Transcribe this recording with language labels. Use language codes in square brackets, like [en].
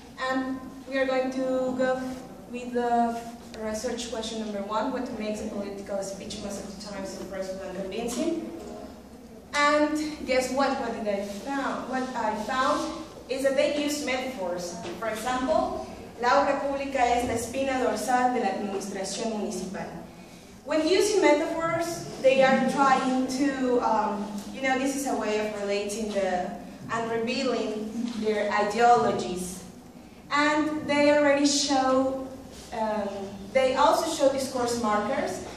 [en] And we are going to go with the research question number 1, what makes a political speech most of the times impressive and convincing? And guess what? What did I found? What I found is that they use metaphors. For example, [es] la obra pública es la espina dorsal de la administración municipal. [en] When using metaphors, they are trying to, you know, this is a way of relating the and revealing their ideologies. And they already show, they also show discourse markers.